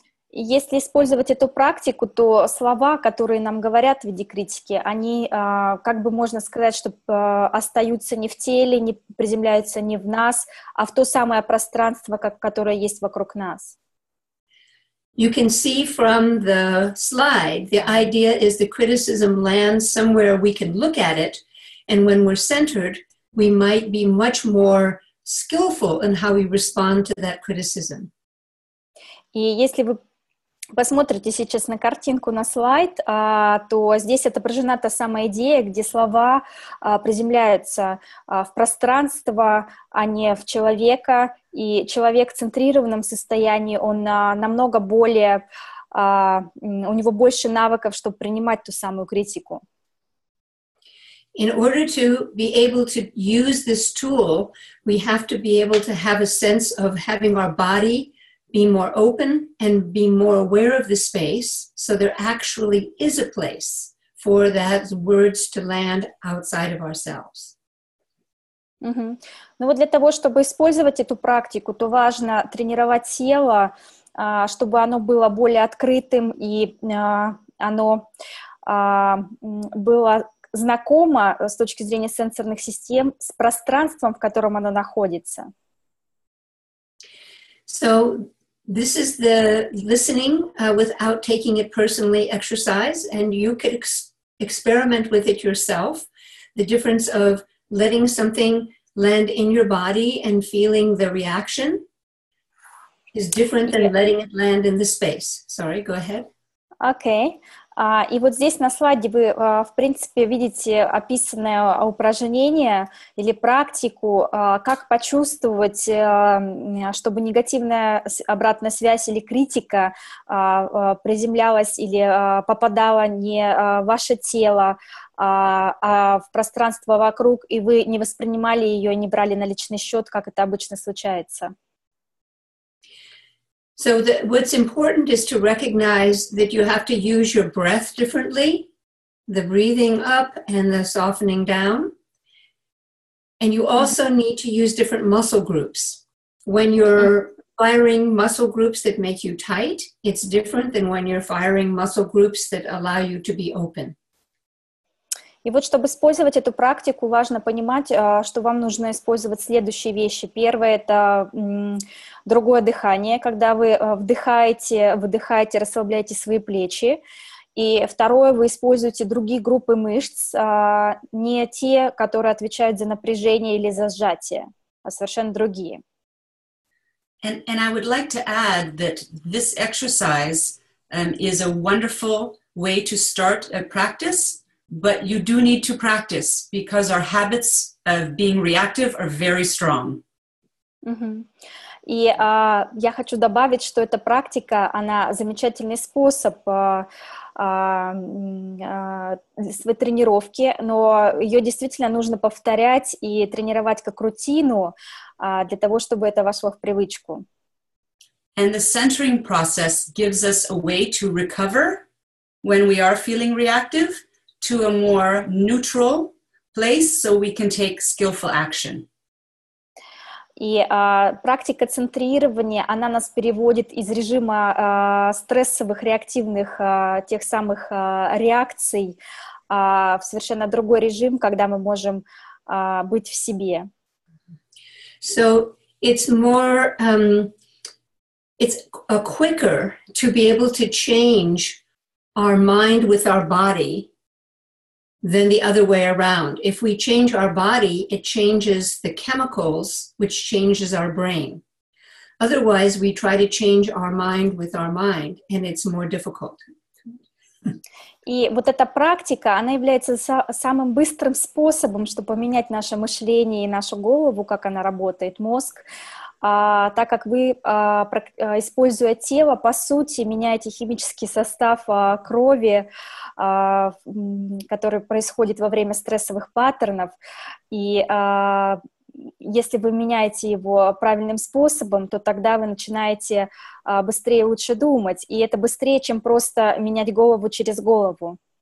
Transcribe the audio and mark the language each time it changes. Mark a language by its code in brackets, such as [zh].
[ru] Если использовать эту практику, то слова, которые нам говорят в виде критики, они, как бы можно сказать, что остаются не в теле, не приземляются не в нас, а в то самое пространство, которое есть вокруг нас. [en] You can see from the slide, the idea is the criticism lands somewhere we can look at it, and when we're centered, we might be much more skillful in how we respond to that criticism. [ru] И если вы посмотрите сейчас на картинку, на слайд, то здесь отображена та самая идея, где слова приземляются в пространство, а не в человека. И человек в центрированном состоянии, он намного более, у него больше навыков, чтобы принимать ту самую критику. [en] In order to be able to use this tool, we have to be able to have a sense of having our body be more open and be more aware of the space, so there actually is a place for those words to land outside of ourselves. Mm-hmm. [ru] Ну вот для того, чтобы использовать эту практику, то важно тренировать тело, чтобы оно было более открытым и оно было знакомо с точки зрения сенсорных систем с пространством, в котором оно находится. [en] So this is the listening without taking it personally exercise, and you could experiment with it yourself. The difference of letting something land in your body and feeling the reaction is different than letting it land in the space. Sorry, go ahead. Okay. [ru] И вот здесь на слайде вы, в принципе, видите описанное упражнение или практику, как почувствовать, чтобы негативная обратная связь или критика приземлялась или попадала не в ваше тело, а в пространство вокруг, и вы не воспринимали ее, не брали на личный счет, как это обычно случается. [en] So what's important is to recognize that you have to use your breath differently, the breathing up and the softening down. And you also need to use different muscle groups. When you're firing muscle groups that make you tight, it's different than when you're firing muscle groups that allow you to be open. [ru] И вот, чтобы использовать эту практику, важно понимать, что вам нужно использовать следующие вещи. Первое — это другое дыхание, когда вы вдыхаете, выдыхаете, расслабляете свои плечи. И второе — вы используете другие группы мышц, не те, которые отвечают за напряжение или за сжатие, а совершенно другие. [en] And I would like to add that this exercise is a wonderful way to start a practice. But you do need to practice, because our habits of being reactive are very strong. Mm-hmm. [ru] И я хочу добавить, что эта практика, она замечательный способ своей тренировки, но ее действительно нужно повторять и тренировать как рутину для того, чтобы это вошло в привычку. [en] And the centering process gives us a way to recover when we are feeling reactive, to a more neutral place, so we can take skillful action. [ru] И практика центрирования, она нас переводит из режима стрессовых, реактивных, тех самых реакций в совершенно другой режим, когда мы можем быть в себе. [en] So it's more, it's a quicker to be able to change our mind with our body than the other way around. If we change our body, it changes the chemicals, which changes our brain. Otherwise, we try to change our mind with our mind, and it's more difficult. [ru] И вот эта практика, она является самым быстрым способом, чтобы поменять наше мышление и нашу голову, как она работает, мозг. Так как вы, используя тело, по сути, меняете химический состав крови, который происходит во время стрессовых паттернов, и если вы меняете его правильным способом, то тогда вы начинаете быстрее и лучше думать, и это быстрее, чем просто менять голову через голову.